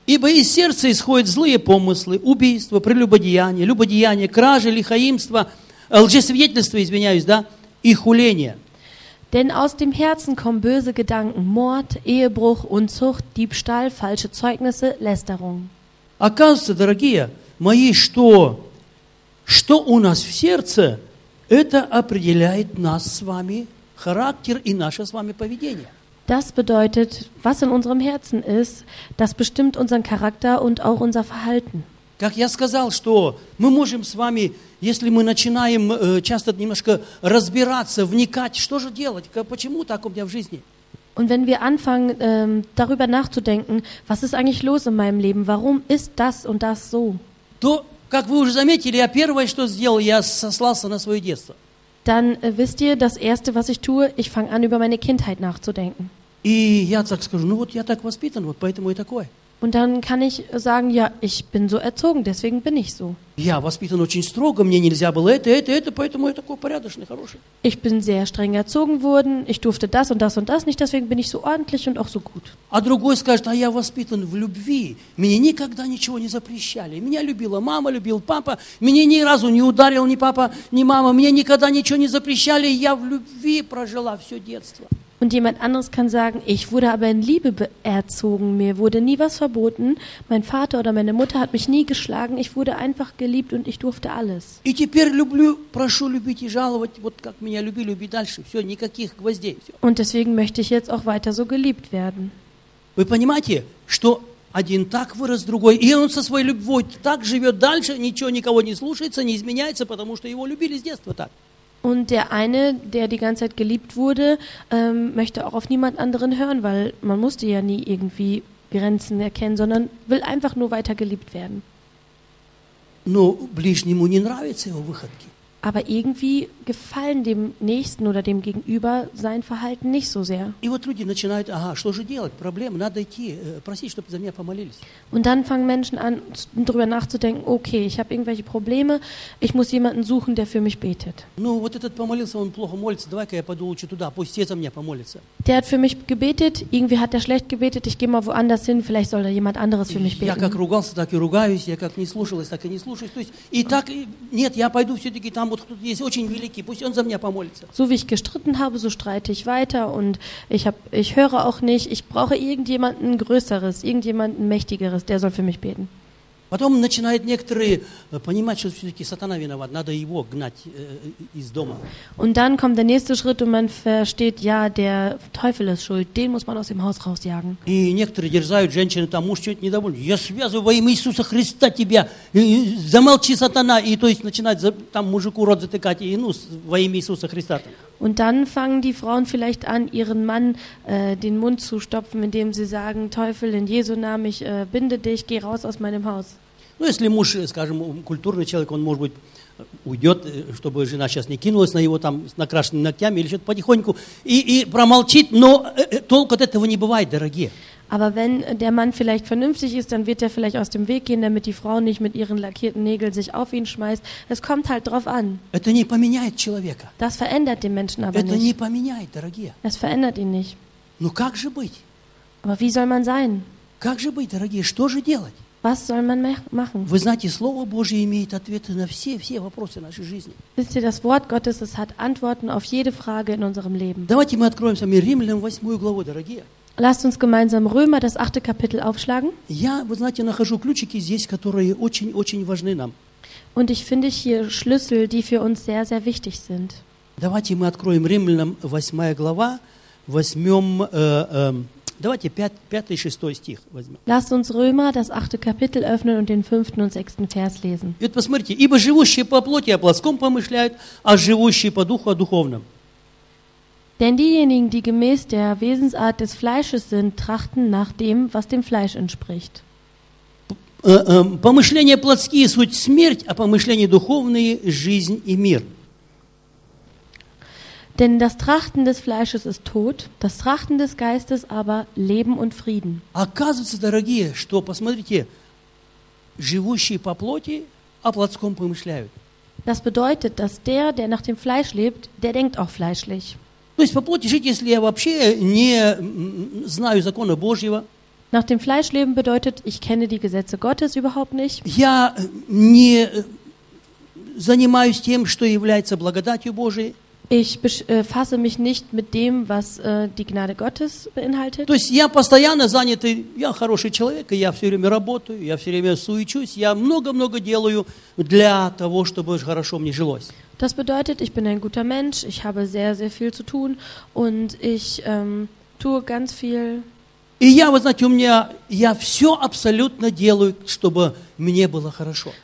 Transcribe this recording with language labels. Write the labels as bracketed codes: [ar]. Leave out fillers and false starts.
[ru] Ибо из сердца исходят злые помыслы, убийство, прелюбодеяние, любодеяние, кражи, лихоимство, лжесвидетельство, извиняюсь, да, и хуление. [de] Denn aus dem Herzen kommen böse Gedanken, Mord, Ehebruch, Unzucht, Diebstahl, falsche Zeugnisse, Lästerung. [ru] Оказывается, дорогие мои, что у нас в сердце, это определяет нас с вами характер и наше с вами поведение. [de] Das bedeutet, was in unserem Herzen ist, das bestimmt unseren Charakter und auch unser Verhalten. [ru] Как я сказал, что мы можем с вами, если мы начинаем часто немножко разбираться, вникать, что же делать, почему так у меня в жизни? [de] Und wenn wir anfangen, darüber nachzudenken, was ist eigentlich los in meinem Leben, warum ist das und das so? [ru] То, как вы уже заметили, я первое, что сделал, я сослался на свое детство. [de] Dann wisst ihr, das Erste, was ich tue, ich fange an, über meine Kindheit nachzudenken. [ru] И я так скажу, ну вот я так воспитан, вот поэтому я такой. [de] Und dann kann ich sagen, ja, ich bin so erzogen, deswegen bin ich so. [ru] Я воспитан очень строго, мне нельзя было это, поэтому я такой порядочный, хороший. [de] Ich bin sehr streng erzogen worden, ich durfte das und das und das nicht, deswegen bin ich so ordentlich und auch so gut. [ru] А другой скажет, а я воспитан в любви, мне никогда ничего не запрещали, меня любила мама, любил папа, меня ни разу не ударил ни папа, ни мама, мне никогда ничего не запрещали, я в любви прожила все детство. [de] Und jemand anderes kann sagen, ich wurde aber in Liebe erzogen, mir wurde nie was verboten, mein Vater oder meine Mutter hat mich nie geschlagen, ich wurde einfach geliebt und ich durfte alles. [ru] И теперь люблю, прошу любить и жаловать, вот как меня любили, люби дальше, все, никаких гвоздей. Все. [de] Und deswegen möchte ich jetzt auch weiter so geliebt werden. [ru] Вы понимаете, что один так вырос, другой, и он со своей любовью так живет дальше, ничего никого не слушается, не изменяется, потому что его любили с детства так. [de] Und der eine, der die ganze Zeit geliebt wurde, möchte auch auf niemand anderen hören, weil man musste ja nie irgendwie Grenzen erkennen, sondern will einfach nur weiter geliebt werden. [ru] Но ближнему не нравятся его выходки. [de] Aber irgendwie gefallen dem Nächsten oder dem Gegenüber sein Verhalten nicht so sehr. [ru] И вот люди начинают, ага, что же делать, проблема, надо идти, просить, чтобы за меня помолились. [de] Und dann fangen Menschen an, darüber nachzudenken, okay, ich habe irgendwelche Probleme, ich muss jemanden suchen, der für mich betet. [ru] Ну вот этот помолился, он плохо молится, давай-ка я пойду лучше туда, пусть все за меня помолятся. [de] Der hat für mich gebetet, irgendwie hat er schlecht gebetet, ich gehe mal woanders hin, vielleicht soll da jemand anderes für mich beten. [ru] Я как ругался, так и ругаюсь, я как не слушалась, так и не слушаюсь, то есть и так, нет, я пойду все-таки там. [de] So wie ich gestritten habe, so streite ich weiter und ich höre auch nicht, ich brauche irgendjemanden Größeres, irgendjemanden Mächtigeres, der soll für mich beten. [ru] Потом начинают некоторые понимать, что все-таки сатана виноват, надо его гнать из дома. [de] Und dann kommt der nächste Schritt und man versteht, ja, der Teufel ist schuld, den muss man aus dem Haus rausjagen. [ru] И некоторые дерзают, женщины там, муж чуть недоволен, я связываю во имя Иисуса Христа тебя, замолчи, сатана, и то есть начинают там мужику рот затыкать, и ну, во имя Иисуса Христа. [de] Und dann fangen die Frauen vielleicht an, ihren Mann den Mund zu stopfen, indem sie sagen, Teufel, in Jesu Namen, ich binde dich, geh raus aus meinem Haus. [ru] Ну, если муж, скажем, культурный человек, он, может быть, уйдет, чтобы жена сейчас не кинулась на его там с накрашенными ногтями или что-то потихоньку, и промолчит, но толку от этого не бывает, дорогие. [de] Aber wenn der Mann vielleicht vernünftig ist, dann wird er vielleicht aus dem Weg gehen, damit die Frau nicht mit ihren lackierten Nägeln sich auf ihn schmeißt. Es kommt halt drauf an. [ru] Это не поменяет человека. [de] Das verändert den Menschen aber [ru] Это [de] nicht. [ru] Не поменяет, дорогие. [de] Es verändert ihn nicht. [ru] Ну как же быть? [de] Aber wie soll man sein? [ru] Как же быть, дорогие? Что же делать? [de] Was soll man machen? [ru] Вы знаете, Слово Божье имеет ответы на все вопросы нашей жизни. [de] Wisst ihr, das Wort Gottes, es hat Antworten auf jede Frage in unserem Leben. [ru] Давайте мы откроем с вами Римлянам 8 главу, дорогие. [de] Lasst uns gemeinsam Römer, das 8. Kapitel, aufschlagen. [ru] Я, вы знаете, нахожу ключики здесь, которые очень-очень важны нам. [de] Und ich finde hier Schlüssel, die für uns sehr, sehr wichtig sind. [ru] Давайте мы откроем Римлянам 8 глава, возьмем... Давайте 5-6 стих возьмем. [de] Lasst uns Römer, das 8. Kapitel, öffnen und den 5. und 6. Vers lesen. [ru] И вот посмотрите, ибо живущие по плоти о плотском помышляют, а живущие по духу о духовном. [de] Denn diejenigen, die gemäß der Wesensart des Fleisches sind, trachten nach dem, was dem Fleisch entspricht. [ru] Помышления плотские – суть смерть, а помышления духовные – жизнь и мир. [de] Denn das Trachten des Fleisches ist Tod, das Trachten des Geistes aber Leben und Frieden. [ru] Оказывается, дорогие, что, посмотрите, живущие по плоти о плотском помышляют. [de] Das bedeutet, dass der nach dem Fleisch lebt, der denkt auch fleischlich. [ru] То есть по плоти жить, если я вообще не знаю закона Божьего. [de] Nach dem Fleisch leben bedeutet, ich kenne die Gesetze Gottes überhaupt nicht. [ru] Я не занимаюсь тем, что является благодатью Божией. [de] Ich befasse mich nicht mit dem, was die Gnade Gottes beinhaltet. [ru] То есть я постоянно занят, я хороший человек, я все время работаю, я все время суечусь, я много-много делаю для того, чтобы хорошо мне жилось. [de] Das bedeutet, ich bin ein guter Mensch, ich habe sehr, sehr viel zu tun und ich tue ganz viel. [ru] И я, вы знаете, у меня, я все абсолютно делаю, чтобы мне было хорошо.